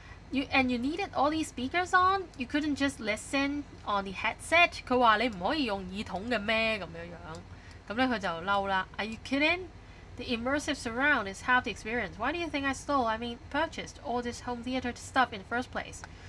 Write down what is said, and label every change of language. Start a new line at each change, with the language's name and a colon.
English: You, and you needed all these speakers on? You couldn't just listen on the headset?
Chinese: 他說你不可以用耳筒的嗎？這樣他就生氣了。
English: Are you kidding? The immersive surround is half the experience. Why do you think I purchased all this home theater stuff in the first place?